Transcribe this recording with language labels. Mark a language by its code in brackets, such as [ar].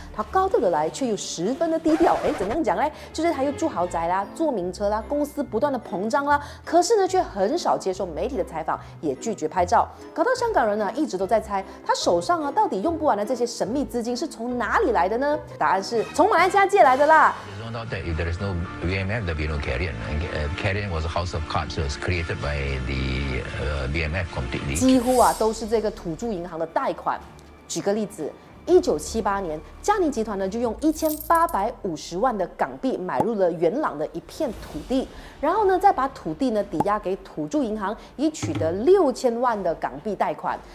[zh] 他高调的来，却又十分的低调。哎，怎样讲呢？就是他又住豪宅啦，坐名车啦，公司不断的膨胀啦，可是呢，却很少接受媒体的采访，也拒绝拍照，搞到香港人呢一直都在猜他手上啊到底用不完的这些神秘资金是从哪里来的呢？答案是从马来西亚借来的啦。 [en] There is no BMF, there is no Carrion. Carrion was a house of cards that was created by the BMF completely. [zh] 几乎啊都是这个土著银行的贷款。举个例子，1978年，佳宁集团呢就用1850万的港币买入了元朗的一片土地，然后呢再把土地呢抵押给土著银行，以取得6000万的港币贷款。